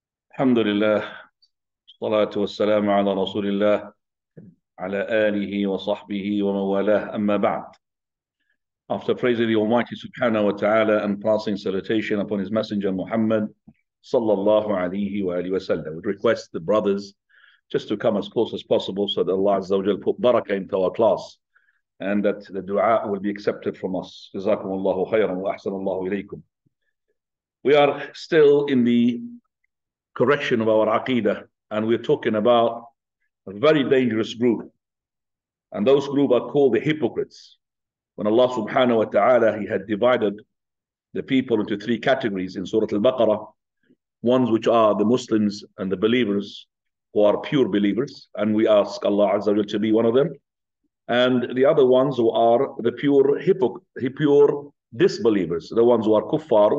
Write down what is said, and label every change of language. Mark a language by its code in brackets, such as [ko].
[ar] الحمد لله، الصلاة والسلام على رسول الله على آله وصحبه ومن والاه. أما بعد، [en] after praising the Almighty [ar] سبحانه وتعالى [en] and passing salutation upon his messenger Muhammad [ar] صلى الله عليه وآله وسلم, [en] we request the brothers just to come as close as possible so that Allah [ar] عز وجل [en] put barakah into our class and that the dua will be accepted from us. [ar] جزاكم الله خيرا وأحسن الله إليكم. [en] We are still in the correction of our aqeedah, and we're talking about a very dangerous group, and those group are called the hypocrites. When Allah subhanahu wa ta'ala, he had divided the people into three categories in Surah Al-Baqarah, ones which are the Muslims and the believers who are pure believers, and we ask Allah azza wa jalla to be one of them, and the other ones who are the pure disbelievers, the ones who are kuffar.